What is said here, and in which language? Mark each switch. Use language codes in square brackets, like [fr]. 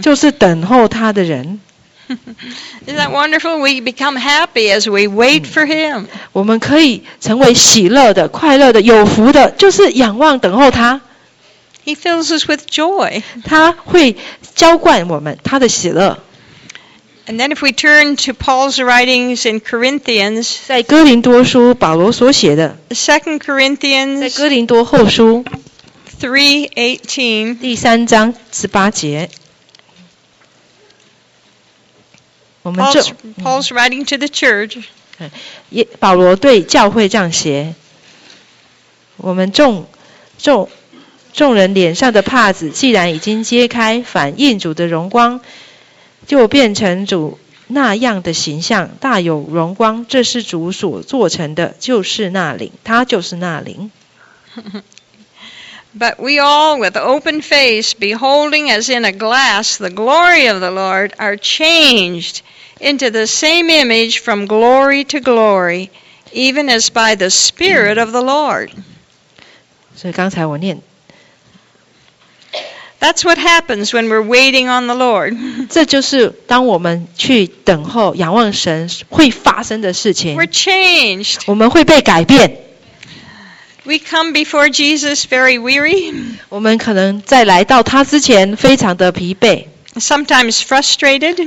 [zh] 就是等候他的人。 [en] Isn't that wonderful? We become happy as we wait for him. [zh] 我们可以成为喜乐的、快乐的、有福的，就是仰望等候他。 [en] He fills us with joy. [zh] 他会浇灌我们他的喜乐。 [en] And then, if we turn to Paul's writings in Corinthians, [zh] 在哥林多书保罗所写的 [en] Second Corinthians, [zh] 在哥林多后书 [en] 3:18, [zh] 第三章十八节，我们就 [en] Paul's writing to the church. [zh] 保罗对教会这样写，我们众众众人脸上的帕子既然已经揭开，反映主的荣光，就变成主那样的形象，大有荣光。这是主所做成的，就是那灵，他就是那灵。 [en] But we all, with open face, beholding as in a glass the glory of the Lord, are changed into the same image from glory to glory, even as by the Spirit of the Lord. [zh] 所以刚才我念。 [en] That's what happens when we're waiting on the Lord. [zh] 这就是当我们去等候、仰望神会发生的事情。 [en] We're changed. [zh] 我们会被改变。 [en] We come before Jesus very weary. [zh] 我们可能在来到他之前非常的疲惫。 [en] Sometimes frustrated.